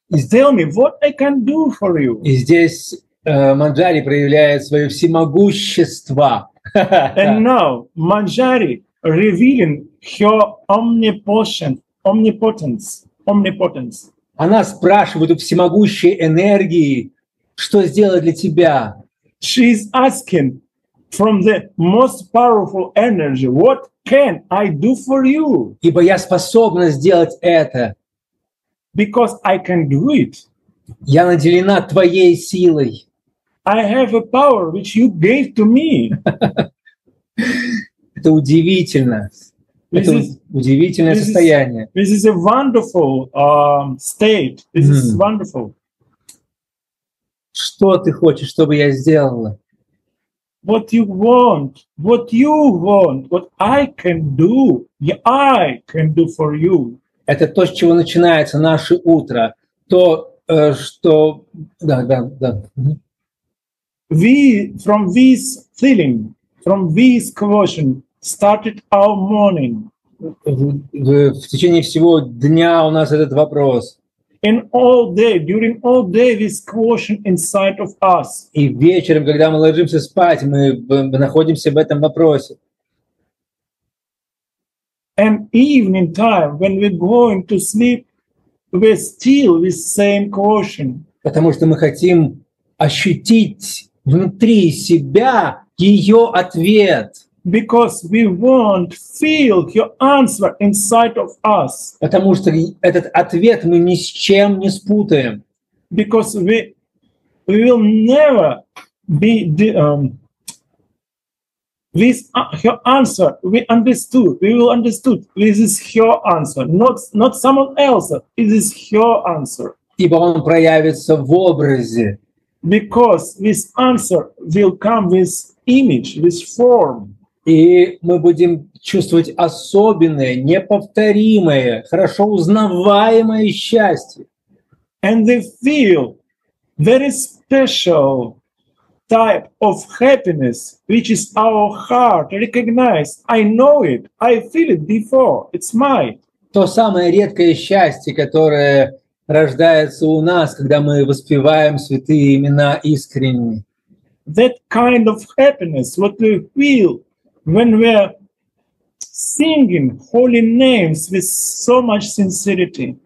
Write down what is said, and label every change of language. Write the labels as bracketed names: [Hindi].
[English] Tell me what I can do for you. [Russian] И здесь Манджари проявляет свое всемогущество. [English] And now Manjari revealing her omnipotence. [Russian] Она спрашивает у всемогущей энергии, что сделать для тебя. [English] She is asking from the most powerful energy, what can I do for you? [Russian] Ибо я способна сделать это. [English] Because I can do it. [Russian] Я наделена твоей силой. [English] I have a power which you gave to me. [Russian] Это удивительно. Это удивительное состояние. [English] This is a wonderful state. This is wonderful. [Russian] Что ты хочешь, чтобы я сделала? [English] What you want? What you want? What I can do? I can do for you. [Russian] Это то, с чего начинается наше утро. То, что... Да, да, да. [English] We, from this feeling, from this question, started our morning. [Russian] В течение всего дня у нас этот вопрос. [English] In all day, during all day, this question inside of us. [Russian] И вечером, когда мы ложимся спать, мы находимся в этом вопросе. [English] And evening time, when we're going to sleep, we're still with same caution. [Russian] Потому что мы хотим ощутить внутри себя ее ответ. [English] Because we want feel your answer inside of us. [Russian] Потому что этот ответ мы ни с чем не спутаем. [English] Because we will never be the, this her answer we understood. We will understood. This is her answer, not someone else. It is her answer. [Russian] Ибо он проявится в образе. [English] Because this answer will come with image, with form. [Russian] И мы будем чувствовать особенное, неповторимое, хорошо узнаваемое счастье. [English] And we feel very special type of happiness, which is our heart recognized. I know it. I feel it before. It's mine. [Russian] То самое редкое счастье, которое рождается у нас, когда мы воспеваем святые имена искренне. [English] That kind of happiness, what we feel when we are singing holy names with so much sincerity.